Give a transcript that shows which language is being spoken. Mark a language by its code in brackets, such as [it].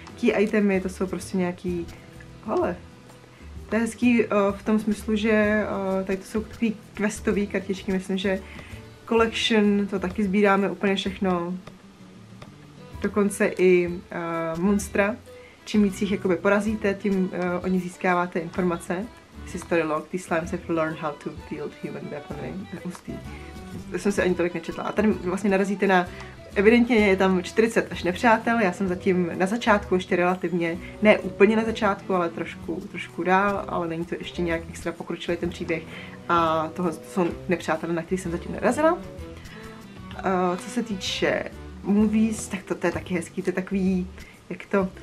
[cs] Key itemy, to jsou prostě nějaký... Ale... To je hezký v tom smyslu, že tady to jsou takový questové kartičky, myslím, že collection, to taky sbíráme úplně všechno. Dokonce i monstra. Čím víc jich jakoby porazíte, tím oni získáváte informace. [en] History log, these slimes have learned how to build human weaponry. Ustý. [cs] To jsem si ani tolik nečetla. A tady vlastně narazíte na... Evidentně je tam 40 až nepřátel, já jsem zatím na začátku ještě relativně, ne úplně na začátku, ale trošku dál, ale není to ještě nějak extra pokročilý ten příběh. A toho jsou nepřátelé, na který jsem zatím narazila. Co se týče movies, tak to je taky hezký, to je takový, jak to...